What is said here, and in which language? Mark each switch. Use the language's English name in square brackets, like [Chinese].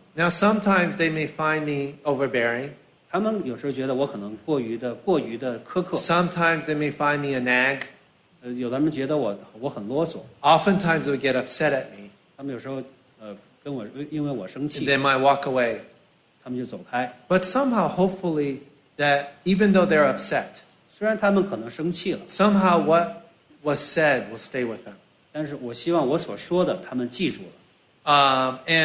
[English] Now, sometimes they may find me overbearing. [Chinese] 他们有时候觉得我可能过于的苛刻。 [English] Sometimes they may find me a nag. [Chinese] 有他们觉得我很啰嗦。 [English] Oftentimes they get upset at me. [Chinese] 他们有时候跟我因为我生气。 [English] They might walk away. [Chinese] 他他们就走开。 [English] But somehow, hopefully, that even though they're upset, [Chinese] 虽然他们可能生气了, [English] somehow what was said will stay with them. [Chinese] 但是我希望我所说的, 他们记住了。